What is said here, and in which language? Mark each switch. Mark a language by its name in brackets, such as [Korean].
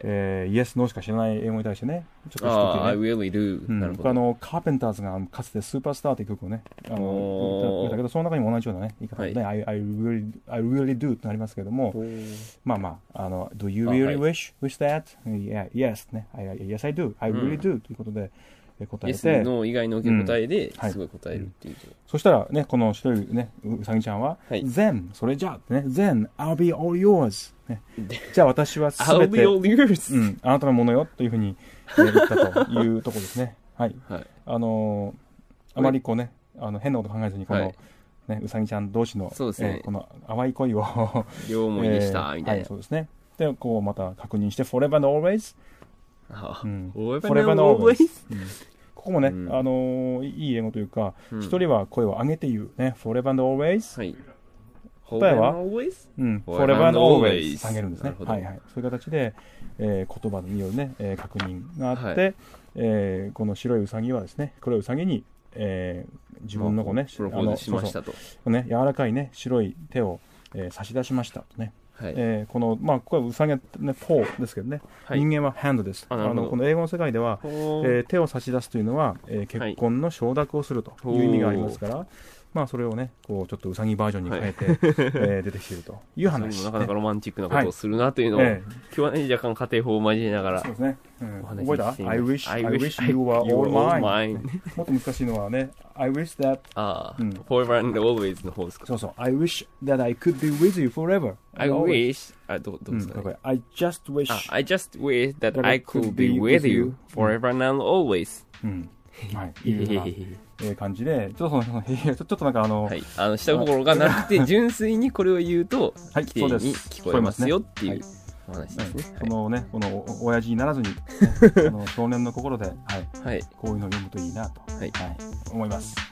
[Japanese] Yes, No しか知らない英語に対してね、ちょっと知ってて、ね、 [English] I really do、 [Japanese] うん、なるほど、カーペンターズがかつてスーパースターという曲をね、だけどその中にも同じような、ね、言い方で、ね、はい、 [English] I really do [Japanese] となりますけども、まあまあ、 [English] Do you really wish,、 [Japanese] はい、wish that? [English] Yeah, yes,、ね、yes, I do, I really do、うん、ということで答えて、 [Japanese] Yes, No 以外の受け答えですごい答えるっていう、うん、はい、そしたらね、この白い、ね、うさぎちゃんは、はい、 Then, それじゃあ、ね、Then, [English] I'll be all yours、 [Japanese] ね、じゃあ私は全て [English] I'll be all yours、 [Japanese] うん、あなたのものよというふうに言ったというところですね、はい、はい、あまりこうね、変なこと考えずにこの、はい、ね、うさぎちゃん同士の、そうですね、この淡い恋を両思いでした、みたいな、はい、そうですね、で、こうまた確認して [English] Forever and always、うん、Forever and always、 [Japanese] うん、ここもね、うん、いい英語というか、一、うん、人は声を上げて言う、ね、 [English] Forever and always、 [Japanese] はい、答えは [English] always?、 [Japanese] うん、 [English] Forever and always [Japanese] 下げるんですね、はいはい、そういう形で、言葉による、ね、確認があって、はい、この白いウサギはですね、黒いウサギに、自分の子ね、プロポーズしましたと、そうそう、ね、柔らかい、ね、白い手を、差し出しましたとね、はい、この、まあ、これはウサギはね、ポーですけどね、はい、人間はハンドです。この英語の世界では、手を差し出すというのは、結婚の承諾をするという意味がありますから、はい、まあ、それをね、こう、ちょっとウサギバージョンに変えて、はい、出てきているという話です、ね。なかなかロマンチックなことをするなというのを、はい、今日はね、若干家庭法を交えながら、そうですね。うん、覚えた [English] ?I wish, I wish you were all mine. もっと難しいのはね、I wish that, forever and always [Japanese] の方ですか。そうそう。 [English] I wish that I could be with you forever. I wish, [Japanese] どうですか [English] I just wish, I just wish that I could be with you forever and always. [Japanese] うん。はい。いい感じで、ちょっとその、ちょっとなんかあの、はい、あの、下心がなくて、純粋にこれを言うと、はい、綺麗に聞こえますよっていう。そのね、この親父にならずに、ね、の少年の心で、はいはい、こういうのを読むといいなと、はいはい、思います。